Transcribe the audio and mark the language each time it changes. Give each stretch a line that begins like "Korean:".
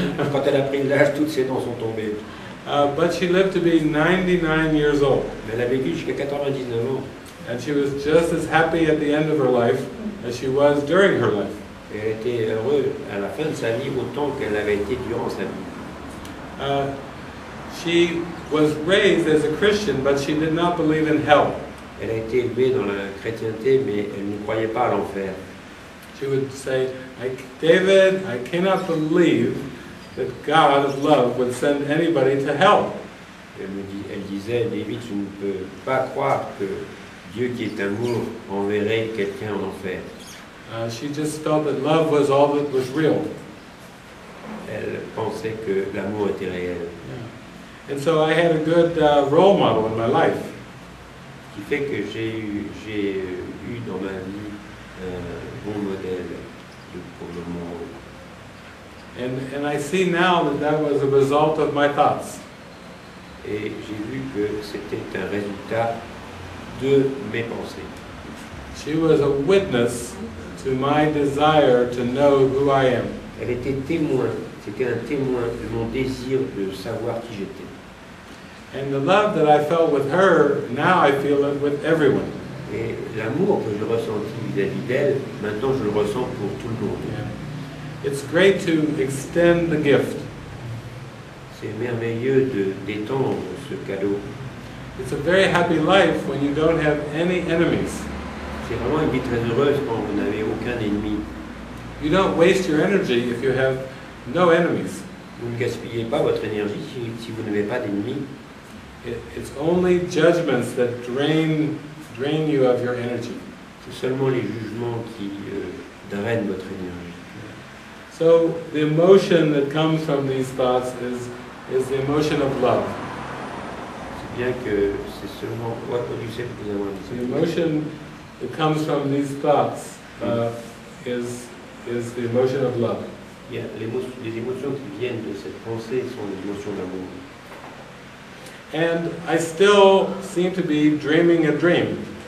French: Quand elle a pris l'âge, toutes ses dents sont tombées.
English: But she lived to be 99 years old.
French: Mais elle a vécu jusqu'à 99 ans.
English: And she was just as happy at the end of her life as she was during her life.
French: Elle était heureuse à la fin de sa vie autant qu'elle avait été durant sa vie.
English: She was raised as a Christian, but she did not believe in hell.
French: Elle a été élevée dans la chrétienté, mais elle ne croyait pas à l'enfer.
English: She would say, David, I cannot believe that God of love would send anybody to hell.
French: Elle disait, David, je ne peux pas croire que Dieu qui est amour enverrait quelqu'un en enfer.
English: She just felt that love was all that was real.
French: Elle pensait que l'amour était réel.
English: Yeah. And so I had a good role model in my life.
French: Qui fait que j'ai eu dans ma vie un bon modèle de pour le monde.
English: And I see now that was a result of my thoughts.
French: Et j'ai vu que c'était un résultat de mes pensées.
English: She was a witness to my desire to know who I am.
French: Elle était témoin, c'était un témoin de mon désir de savoir qui j'étais.
English: And the love that I felt with her, now I feel it with everyone.
French: Et l'amour que je ressentis vis-à-vis d'elle, maintenant je le ressens pour tout le monde. Yeah.
English: It's great to extend the gift.
French: C'est merveilleux d'étendre ce cadeau.
English: It's a very happy life when you don't have any enemies.
French: C'est vraiment une vie très heureuse quand vous n'avez aucun ennemi.
English: You don't waste your energy if you have no enemies.
French: Vous ne gaspillez pas votre énergie si vous n'avez pas d'ennemis.
English: It's only judgments that drain you of your energy.
French: C'est seulement les jugements qui drainent votre énergie.
English: So the emotion that comes from these thoughts is the emotion of love.
French: C'est bien que c'est seulement quoi produisait que vous avez dit.
English: The emotion that comes from these thoughts is the emotion of love.
French: Yeah, les émotions qui viennent de cette pensée sont les émotions d'amour.
English: And I still seem to be dreaming a dream.